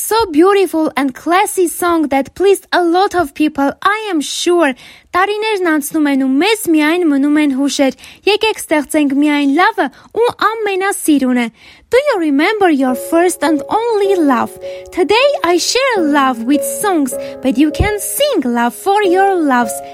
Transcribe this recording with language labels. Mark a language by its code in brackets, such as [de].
[en] beautiful and classy song that pleased a lot of people, I am sure. [hy] Տարիներն անցնում են ու մեզ միայն մնում են հուշեր. Եկեք ստեղծենք միայն լավը ու ամենասիրունը. [en] Do you remember your first and only love? Today I share love with songs, but you can sing love for your loves.